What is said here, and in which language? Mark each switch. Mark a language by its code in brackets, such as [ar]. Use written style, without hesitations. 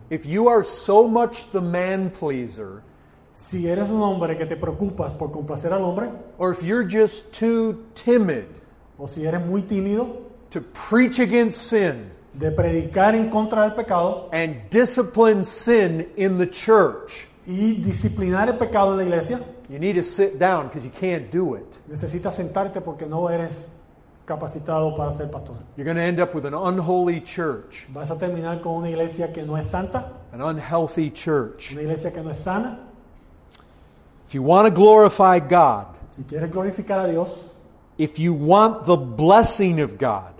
[en] If you are so much the man pleaser, [es] si eres un hombre que te preocupas por complacer al hombre, [en] or if you're just too timid, [es] o si eres muy tímido, [en] to preach against sin, [es] de predicar en contra del pecado, [en] and discipline sin in the church, [es] y disciplinar el pecado en la iglesia, [en] you need to sit down because you can't do it. [es] Necesitas sentarte porque no eres capacitado para ser pastor. [en] You're going to end up with an unholy church. [es] Vas a terminar con una iglesia que no es santa. [en] An unhealthy church. [es] Una iglesia que no es sana. [en] If you want to glorify God, [es] si quieres glorificar a Dios, [en] if you want the blessing of God,